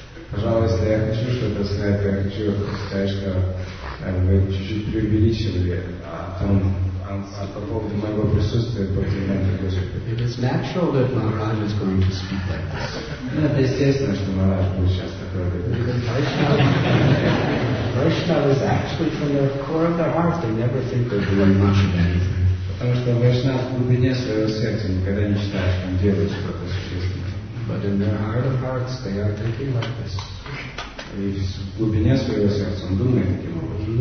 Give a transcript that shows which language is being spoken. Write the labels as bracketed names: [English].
[Russian] Пожалуйста, я хочу что-то сказать, я хочу сказать, что вы чуть-чуть преувеличивали по поводу моего присутствия по телевизору. [English] It is natural that Maharaj is going to speak like this. [Russian] Это естественно, что Maharaj будет сейчас такой говорить. [English] Vaishnava is actually from the core of their hearts. They never think they're doing much of anything. [Russian] Потому что Vaishnava в глубине своего сердца никогда не считает, что он делает что-то существенное. [English] But in their heart of hearts, they are thinking like this. [Russian] И в глубине своего сердца он думает таким образом.